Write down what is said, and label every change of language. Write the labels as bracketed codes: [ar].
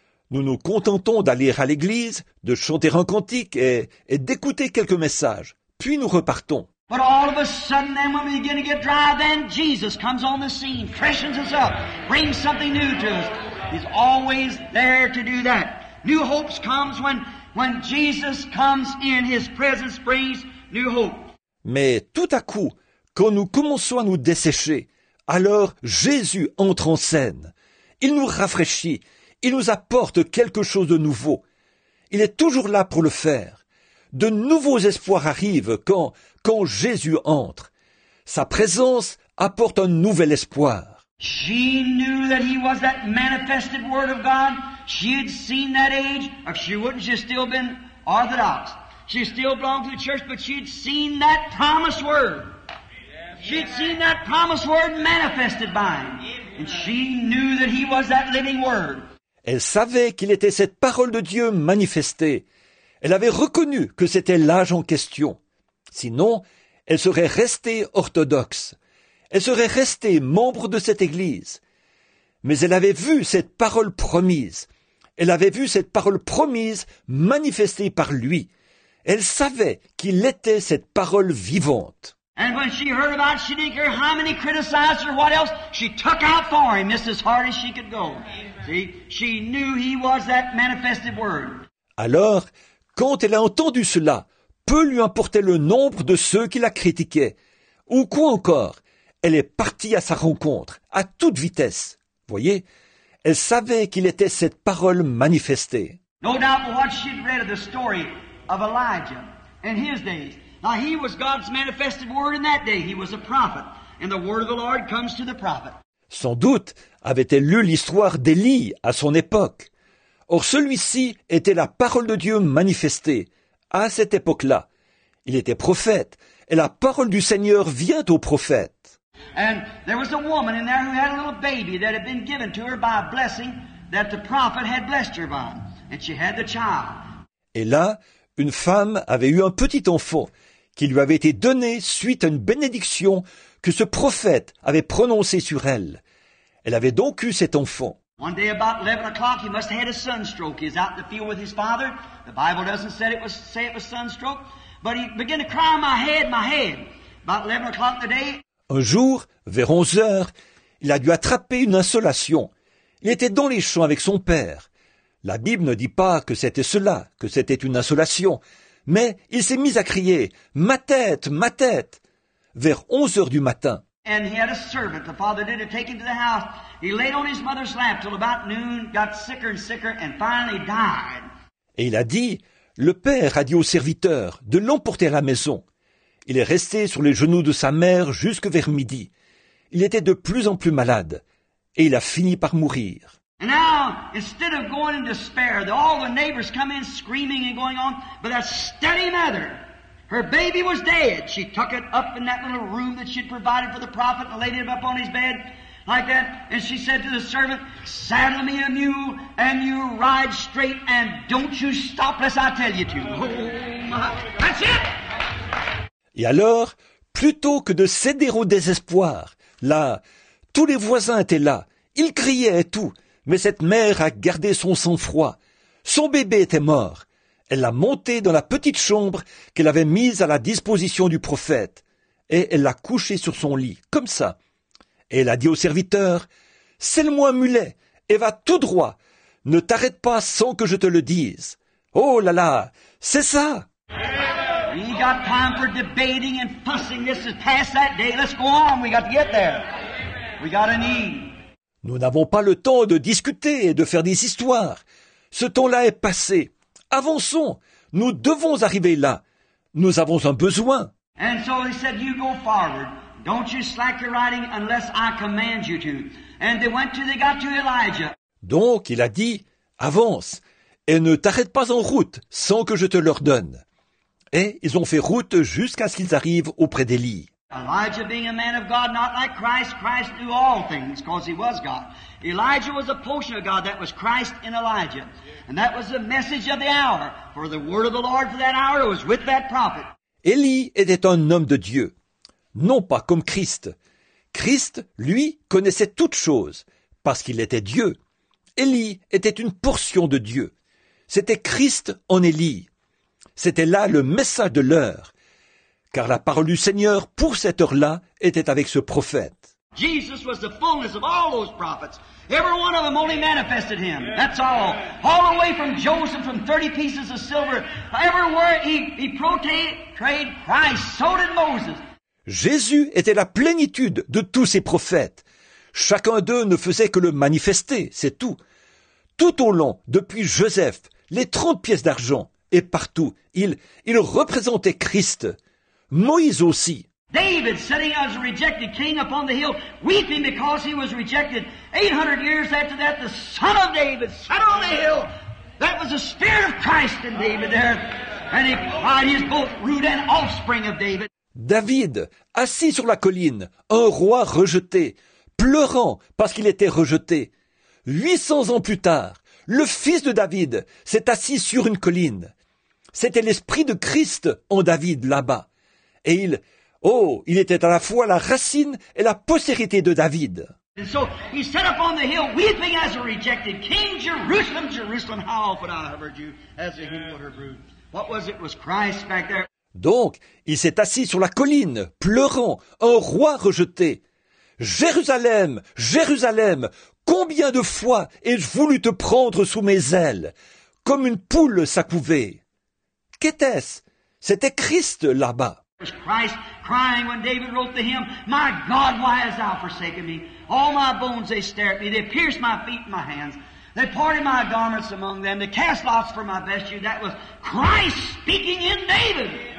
[fr] Nous nous contentons d'aller à l'église, de chanter un cantique et d'écouter quelques messages. Puis nous repartons. [en] But all of a sudden, then, when we begin to get dry, then Jesus comes on the scene, freshens us up, brings something new to us. He's always there to do that. New hopes comes when Jesus comes in, his presence brings new hope. [fr] Mais tout à coup, quand nous commençons à nous dessécher, alors Jésus entre en scène. Il nous rafraîchit, il nous apporte quelque chose de nouveau. Il est toujours là pour le faire. De nouveaux espoirs arrivent quand Jésus entre. Sa présence apporte un nouvel espoir. [en] She knew that he was that manifested word of God. She had seen that age, or she wouldn't, she'd still been Orthodox. She still belonged to the church, but she'd seen that promised word. She'd seen that promised word manifested by him. And she knew that he was that living word. [fr] Elle savait qu'il était cette parole de Dieu manifestée. Elle avait reconnu que c'était l'âge en question. Sinon, elle serait restée orthodoxe. Elle serait restée membre de cette Église. Mais elle avait vu cette parole promise. Elle avait vu cette parole promise manifestée par lui. Elle savait qu'il était cette parole vivante. [en] And when she heard about it, she didn't care how many criticized her, what else, she took out for him just as hard as she could go. See, she knew he was that manifested word. [fr] Alors, quand elle a entendu cela, peu lui importait le nombre de ceux qui la critiquaient. Ou quoi encore, elle est partie à sa rencontre, à toute vitesse. Voyez, elle savait qu'il était cette parole manifestée. [en] No doubt what she'd read of the story of Elijah in his days. Now he was God's manifested word in that day. He was a prophet. And the word of the Lord comes to the prophet. [fr] Sans doute avait-elle lu l'histoire d'Élie à son époque. Or celui-ci était la parole de Dieu manifestée à cette époque-là. Il était prophète et la parole du Seigneur vient au prophète. [en] And there was a woman in there who had a little baby that had been given to her by a blessing that the prophet had blessed her by. And she had the child. [fr] Et là, une femme avait eu un petit enfant qui lui avait été donné suite à une bénédiction que ce prophète avait prononcée sur elle. Elle avait donc eu cet enfant. [en] One day about 11 o'clock, he must have had a sunstroke. He was out in the field with his father. The Bible doesn't say it was sunstroke. But he began to cry, my head, my head. About 11 o'clock in the day. [fr] Un jour, vers 11 heures, il a dû attraper une insolation. Il était dans les champs avec son père. La Bible ne dit pas que c'était cela, que c'était une insolation. Mais il s'est mis à crier, ma tête, ma tête, vers 11 heures du matin. [en] And he had a servant, the father did it, take him to the house. He laid on his mother's lap till about noon, got sicker and sicker, and finally died. [fr] Et il a dit, le père a dit au serviteur de l'emporter à la maison. Il est resté sur les genoux de sa mère jusque vers midi. Il était de plus en plus malade, et il a fini par mourir. [en] And now, instead of going in despair, all the neighbors come in screaming and going on, but a steady mother. Her baby was dead. She took it up in that little room that she'd provided for the prophet and laid it up on his bed like that. And she said to the servant, saddle me a mule and you ride straight and don't you stop unless I tell you to. Oh my. That's it! [fr] Et alors, plutôt que de céder au désespoir, là, tous les voisins étaient là. Ils criaient et tout. Mais cette mère a gardé son sang-froid. Son bébé était mort. Elle l'a monté dans la petite chambre qu'elle avait mise à la disposition du prophète. Et elle l'a couché sur son lit, comme ça. Et elle a dit au serviteur, « Selle-moi un mulet et va tout droit. Ne t'arrête pas sans que je te le dise. » Oh là là, c'est ça. [en] We got time for debating and fussing. This is past that day. Let's go on. We got to get there. We got a need. [fr] Nous n'avons pas le temps de discuter et de faire des histoires. Ce temps-là est passé. Avançons. Nous devons arriver là. Nous avons un besoin. [en] And so he said, you go forward. Don't you slack your riding unless I command you to. And they went to, they got to Elijah. [fr] Donc, il a dit, avance et ne t'arrête pas en route sans que je te l'ordonne. Et ils ont fait route jusqu'à ce qu'ils arrivent auprès d'Élie. [en] Elijah being a man of God, not like Christ. Christ knew all things because he was God. Elijah was a portion of God. That was Christ in Elijah. And that was the message of the hour. For the word of the Lord for that hour was with that prophet. [fr] Élie était un homme de Dieu. Non pas comme Christ. Christ, lui, connaissait toutes choses parce qu'il était Dieu. Élie était une portion de Dieu. C'était Christ en Élie. C'était là le message de l'heure. Car la parole du Seigneur pour cette heure-là était avec ce prophète. [en] Jesus was the fullness of all those prophets. Every one of them only manifested him. That's all. All the way from Joseph, from 30 pieces of silver. Everywhere he portrayed Christ, so did Moses. [fr] Jésus était la plénitude de tous ces prophètes. Chacun d'eux ne faisait que le manifester, c'est tout. Tout au long, depuis Joseph, les 30 pièces d'argent, et partout, il représentait Christ. Moïse aussi. [en] David, sitting as a rejected king upon the hill, weeping because he was rejected. 800 years after that, the son of David sat on the hill. That was the spirit of Christ in David there. And he cried, he's both root and offspring of David. [fr] David, assis sur la colline, un roi rejeté, pleurant parce qu'il était rejeté. 800 ans plus tard, le fils de David s'est assis sur une colline. C'était l'Esprit de Christ en David là-bas. Et il, oh, il était à la fois la racine et la postérité de David. [en] And so he sat upon the hill, weeping as a rejected king, Jerusalem, Jerusalem, how often I have heard you as a hen with her brood. What was it? Was Christ back there? [fr] Donc, il s'est assis sur la colline, pleurant, un roi rejeté. Jérusalem, Jérusalem, combien de fois ai-je voulu te prendre sous mes ailes, comme une poule s'accouvée. Qu'était-ce? C'était Christ là-bas. [en] It was Christ crying when David wrote the hymn, My God, why hast thou forsaken me? All my bones they stare at me, they pierce my feet and my hands, they parted my garments among them, they cast lots for my vesture. That was Christ speaking in David.